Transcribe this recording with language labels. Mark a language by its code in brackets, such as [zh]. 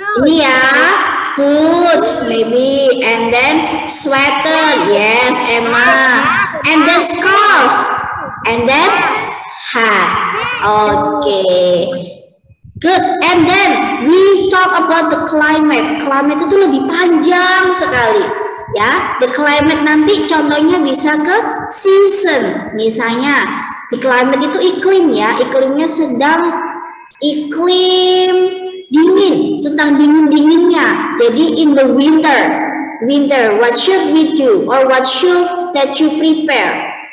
[id] Ini ya, [en] boots maybe. And then sweater, yes, Emma. And then scarf. And then hat. Okay. Good, and then we talk about the climate. [id] Climate itu lebih panjang sekali, ya. The climate nanti contohnya bisa ke season. Misalnya, di climate itu iklim ya. Iklimnya sedang iklim dingin, sedang dingin-dinginnya. [en] Jadi in the winter, winter, what should we do or what should that you prepare?